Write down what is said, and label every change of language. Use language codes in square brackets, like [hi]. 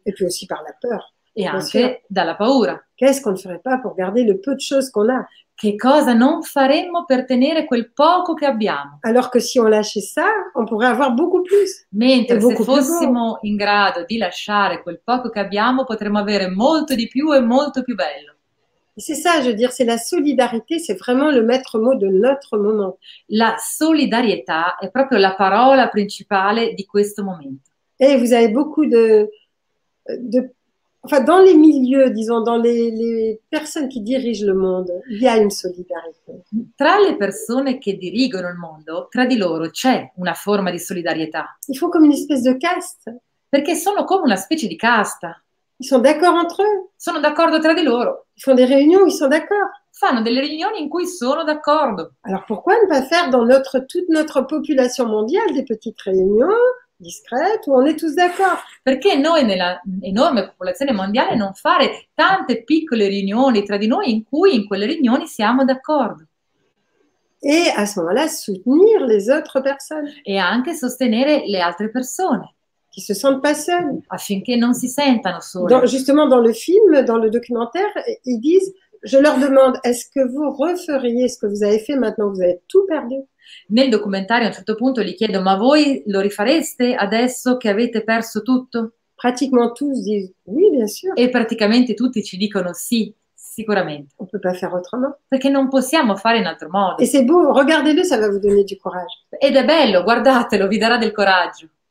[fr] E puis aussi par la peur. [it] E anche dalla paura. [fr] Qu'est-ce qu'on ne ferait pas pour garder le peu de choses qu'on a? [it] Che cosa non faremmo per tenere quel poco che abbiamo? [fr] Alors que si on lâchait ça, on pourrait avoir beaucoup plus. [it] Mentre se fossimo in grado di lasciare quel poco che abbiamo, potremmo avere molto di più e molto più bello. [fr] C'est ça, je veux dire, c'est la solidarité, c'est vraiment le maître mot de notre moment. [it] La solidarietà è proprio la parola principale di questo momento. [fr] Et vous avez beaucoup de enfin, dans les milieux, disons, dans les personnes qui dirigent le monde, il y a une solidarité. [it] Tra le persone che dirigono il mondo, tra di loro c'è una forma di solidarietà. [fr] Ils font comme une espèce de caste. [it] Perché sono come una specie di casta. [fr] Ils sont d'accord entre eux. [it] Sono d'accordo tra di loro. [fr] Ils font des réunions, ils sont d'accord. [it] Fanno delle riunioni in cui sono d'accordo. [fr] Alors pourquoi ne pas faire dans toute notre population mondiale des petites réunions? Discrète, on est tous d'accord. [it] Perché noi nella enorme popolazione mondiale non fare tante piccole riunioni tra di noi in cui in quelle riunioni siamo d'accordo? [fr] E a ce moment-là soutenir les autres personnes. [it] E anche sostenere le altre persone. [fr] Qui se sentent pas seules. [it] Affinché non si sentano sole. [fr] Justement dans le film, dans le documentaire, ils disent, je leur demande, est-ce que vous referiez ce que vous avez fait maintenant, vous avez tout perdu? [it] Nel documentario a un certo punto gli chiedo, ma voi lo rifareste adesso che avete perso tutto? Praticamente tutti dicono, [fr] oui, bien sûr. [it] E praticamente tutti ci dicono sì, sicuramente. [fr] On peut pas faire autrement. [it] Perché non possiamo fare in altro modo. [fr] Et c'est beau, regardez-le, ça va vous donner du courage. [it] Ed è bello, guardatelo, vi darà del coraggio.